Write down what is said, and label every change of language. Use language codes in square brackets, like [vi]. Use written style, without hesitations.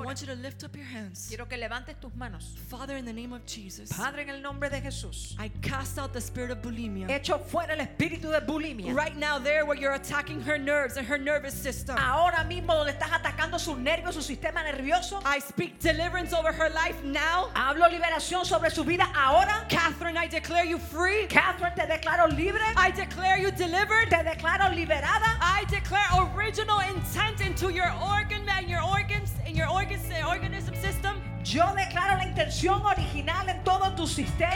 [en] I want you to lift up your hands. [es] Quiero que levantes tus manos. [en] Father, in the name of Jesus, [es] Padre, en el nombre de Jesús, [en] I cast out the spirit of bulimia. [es] Echo fuera el espíritu de bulimia. [en] Right now, there where you're attacking her nerves and her nervous system. [es] Ahora mismo donde estás atacando sus nervios, su sistema nervioso, [en] I speak deliverance over her life. Now, [es] hablo liberación sobre su vida ahora. [en] Catherine, I declare you free. [es] Catherine, te declaro libre. [en] I declare you delivered. [es] Te declaro liberada. [en] I declare original intent into your organ and your organs in your organs and organism system. [es] Yo declaro la intención original en todo tu sistema.